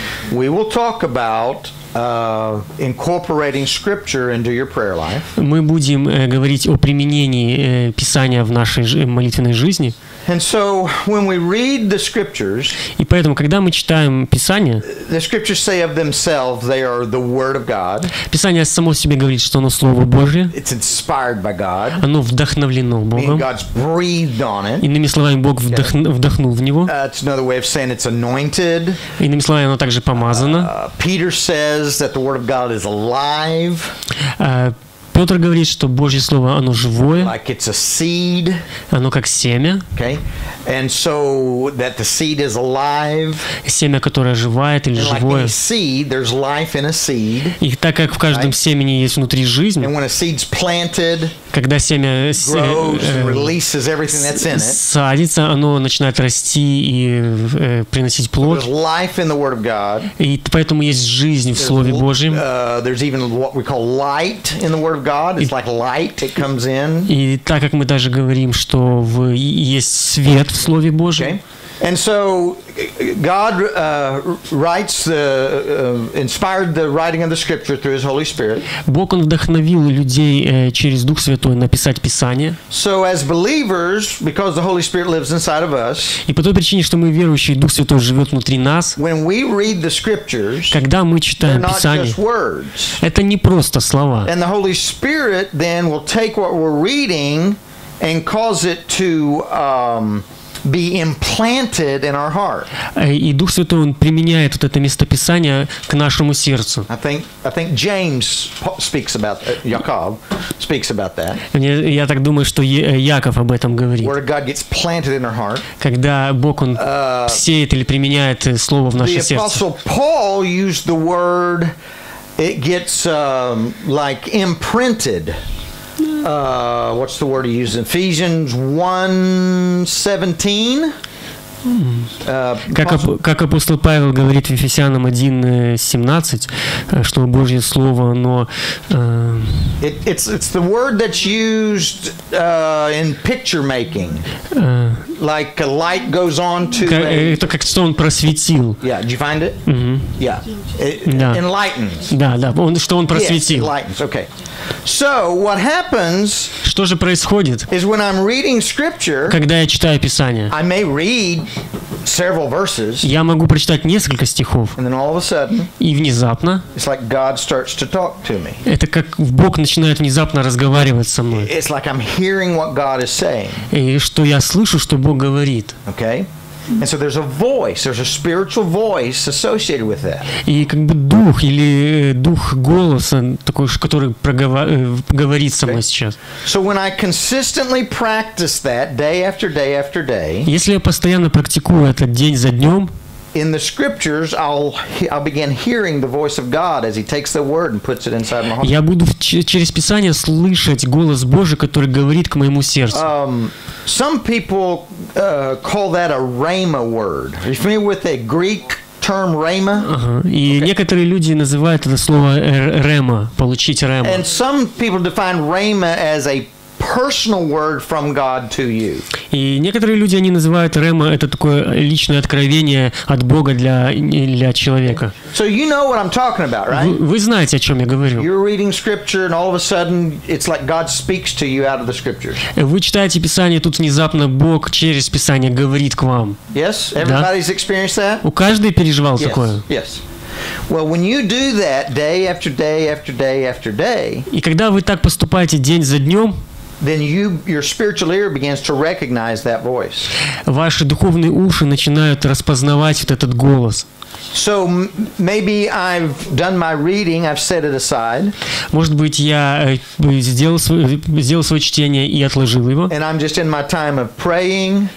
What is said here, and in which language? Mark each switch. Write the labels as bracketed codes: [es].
[en] We will talk about incorporating scripture into your prayer life. [ru] Мы будем говорить о применении Писания в нашей молитвенной жизни. [en] And so when we read the scriptures, [ru] и поэтому когда мы читаем Писание, [en] the scriptures say of themselves they are the word of God. [ru] Писание само себе говорит, что оно слово Божье. [en] It's inspired by God. [ru] Оно вдохновлено Богом. [en] God's breathed on it. [ru] Иными словами, Бог вдохнул в него. [en] That's another way of saying it's anointed. [ru] Иными словами, оно также помазано. [en] Peter says that the word of God is alive. [ru] Петр говорит, что Божье слово, оно живое. [en] Like it's a seed. [ru] Оно как семя. [en] Okay. And so that the seed is alive. [ru] Семя, которое оживает или [en] like [ru] живое. [en] Any seed, there's life in a seed. [ru] И так как в каждом [en] right? [ru] семени есть внутри жизнь. [en] And when a seed's planted, [ru] когда семя [en] releases everything that's in it. [ru] Садится, оно начинает расти и приносить плод. [en] There's life in the word of God. [ru] И поэтому есть жизнь в Слове Божьем. [en] There's even what we call light in the word of God. It's like light that comes in. [ru] И так как мы даже говорим, что есть свет в Слове Божьем. [en] Okay. And so God writes the inspired the writing of the scripture through his Holy Spirit. [ru] Бог он вдохновил людей через Дух Святой написать Писание. [en] So as believers, because the Holy Spirit lives inside of us. [ru] И по той причине, что мы верующие, Дух Святой живет внутри нас. [en] When we read the scriptures, [ru] когда мы читаем Писание, это не просто слова. [en] And the Holy Spirit then will take what we're reading and cause it to be implanted in our heart. [ru] И Дух Святой он применяет вот это местописание к нашему сердцу. [en] I think James speaks about Jacob speaks about that. [ru] Я так думаю, что Яков об этом говорит. [en] Where God gets planted in our heart. [ru] Когда Бог он сеет или применяет слово в наше сердце. [en] The Apostle Paul used the word it gets like imprinted. What's the word he used? Ephesians 1:17. [ru] Как апостол Павел говорит в Ефесянам 1:17, что Божье слово, но [en] it's the word that's used in picture making, like a light goes on to. [ru] Это как что он просветил. [en] Yeah, did you find it? Mm-hmm. Yeah, enlightens. [ru] Да, он что он просветил. [en] Yes, enlightens. Okay. So what happens? [ru] Что же происходит? [en] Is when I'm reading scripture. [ru] Когда я читаю Писание. [en] I may read several verses. [ru] Я могу прочитать несколько стихов. [en] And then all of a sudden. [ru] И внезапно. [en] It's like God starts to talk to me. [ru] Это как Бог начинает внезапно разговаривать со мной. [en] It's like I'm hearing what God is saying. [ru] И что я слышу, что Бог говорит. [en] Okay. And so there's a voice, there's a spiritual voice associated with that. [ru] И как бы дух или дух голоса такой, который говорит со мной сейчас. [en] So when I consistently practice that day after day after day. [ru] Если я постоянно практикую это день за днем. [en] In the scriptures, I'll begin hearing the voice of God as He takes the word and puts it inside my heart. [ru] Я буду через Писание слышать голос Божий, который говорит к моему сердцу. [en] Some people call that a rhema word. Are you familiar with the Greek term rhema? [ru] И некоторые люди называют это слово рема, получить рема. [en] And some people define rhema as a personal word from God to you. [ru] И некоторые люди они называют рема это такое личное откровение от Бога для человека. [en] So you know what I'm talking about, right? [ru] Вы знаете, о чем я говорю. [en] You're reading scripture and all of a sudden it's like God speaks to you out of the scriptures. [ru] Вы читаете Писание, тут внезапно Бог через Писание говорит к вам. [en] Yes, everybody's experienced that? [ru] У каждого переживал такое. [en] Yes. Well, when you do that day after day after day after day. [ru] И когда вы так поступаете день за днем. [en] Then your spiritual ear begins to recognize that voice. [ru] Ваши духовные уши начинают распознавать вот этот голос. [en] So maybe I've done my reading, I've set it aside. [ru] Может быть, я сделал свое чтение и отложил его. [en] And I'm just in my time of praying.